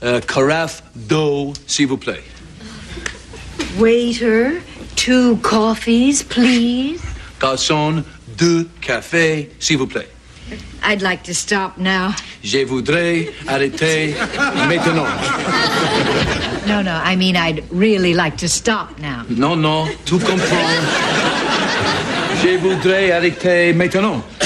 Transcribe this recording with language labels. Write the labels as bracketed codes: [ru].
[fr] Carafe d'eau, s'il vous plaît. [en] Waiter, two coffees, please. [fr] Garçon, deux cafés, s'il vous plaît. [en] I'd like to stop now. [fr] Je voudrais arrêter maintenant. [en] No, I mean I'd really like to stop now. [fr] No, tu comprends. Je voudrais arrêter maintenant.